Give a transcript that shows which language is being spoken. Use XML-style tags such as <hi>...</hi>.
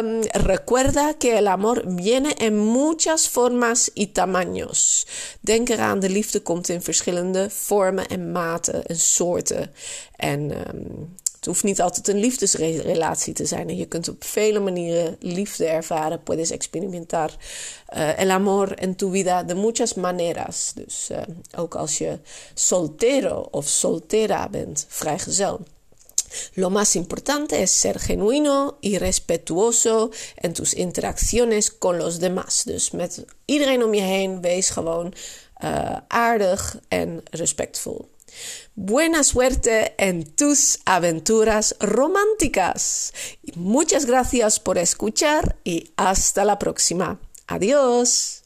<es>Recuerda que el amor viene en muchas formas y tamaños.</es> <nl>Denk eraan, de liefde komt in verschillende vormen en maten en soorten en het hoeft niet altijd een liefdesrelatie te zijn. En je kunt op vele manieren liefde ervaren.</nl> <es>Puedes experimentar el amor en tu vida de muchas maneras.</es> <nl>Dus ook als je soltero of soltera bent, vrijgezel.</nl> <es>Lo más importante es ser genuino y respetuoso en tus interacciones con los demás.</es> <nl>Dus met iedereen om je heen, wees gewoon aardig en respectvol.</nl> <es>Buena suerte en tus aventuras románticas. Muchas gracias por escuchar y hasta la próxima. Adiós.</es>